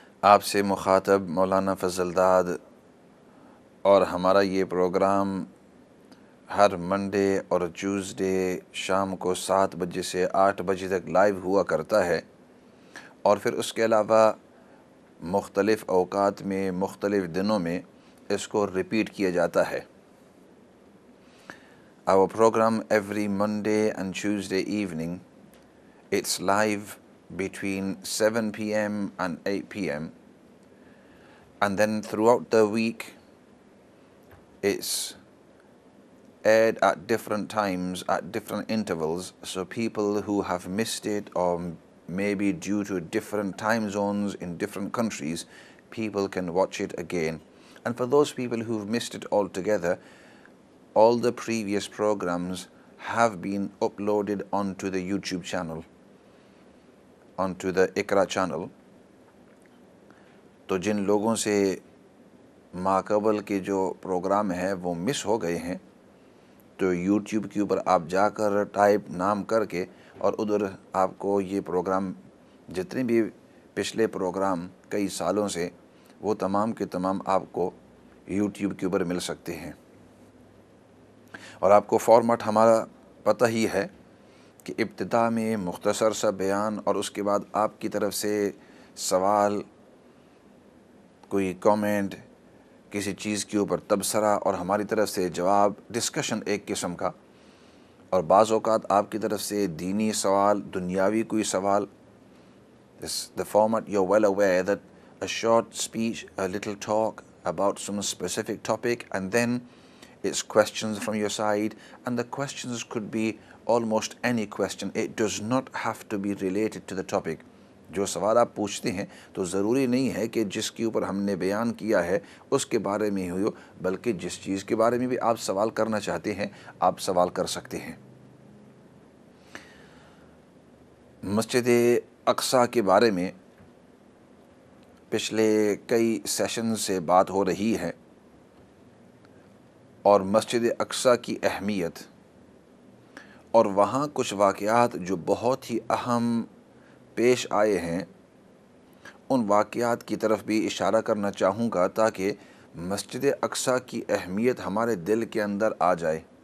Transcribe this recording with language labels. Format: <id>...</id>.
<ur>آپ سے مخاطب مولانا فضل داد اور ہمارا یہ پروگرام ہر منڈے اور ٹیوزڈے شام کو 7 بجے سے 8 بجے تک لائیو ہوا کرتا ہے اور پھر اس کے علاوہ مختلف اوقات میں مختلف دنوں میں اس کو ریپیٹ کیا جاتا ہے</ur> <en>Our program every Monday and Tuesday evening, it's live between 7 p.m. and 8 p.m. And then throughout the week, it's aired at different times, at different intervals. So people who have missed it or maybe due to different time zones in different countries, people can watch it again. And for those people who've missed it altogether, All the previous programs have been uploaded onto the YouTube channel, onto the Iqra channel.</en> <ur>تو جن لوگوں سے ماقبل کے جو programme ہیں وہ مس ہو گئے ہیں تو یوٹیوب کے اوپر آپ جا کر ٹائپ نام کر کے اور ادھر آپ کو یہ پروگرام جتنے بھی پچھلے پروگرام کئی سالوں سے وہ تمام کے تمام آپ کو یوٹیوب کے اوپر مل سکتے ہیں اور آپ کو فارمیٹ ہمارا پتہ ہی ہے کہ ابتدا میں مختصر سا بیان اور اس کے بعد آپ کی طرف سے سوال کوئی کومنٹ کسی چیز کے اوپر تبصرہ اور ہماری طرف سے جواب ڈسکشن ایک قسم کا اور بعض اوقات آپ کی طرف سے دینی سوال دنیاوی کوئی سوال</ur> <en>The format you're well aware that a short speech, a little talk about some specific topic and then It's questions from your side, and the questions could be almost any question. It does not have to be related to the topic.</en> <ur>جو سوال آپ پوچھتے ہیں تو ضروری نہیں ہے کہ جس کے اوپر ہم نے بیان کیا ہے اس کے بارے میں ہوئی ہو بلکہ جس چیز کے بارے میں بھی آپ سوال کرنا چاہتے ہیں آپ سوال کر سکتے ہیں مسجد اقصیٰ کے بارے میں پچھلے کئی سیشن سے بات ہو رہی ہے اور مسجد اقصیٰ کی اہمیت اور وہاں کچھ واقعات جو بہت ہی اہم پیش آئے ہیں ان واقعات کی طرف بھی اشارہ کرنا چاہوں گا تاکہ مسجد اقصیٰ کی اہمیت ہمارے دل کے اندر آ جائے</ur>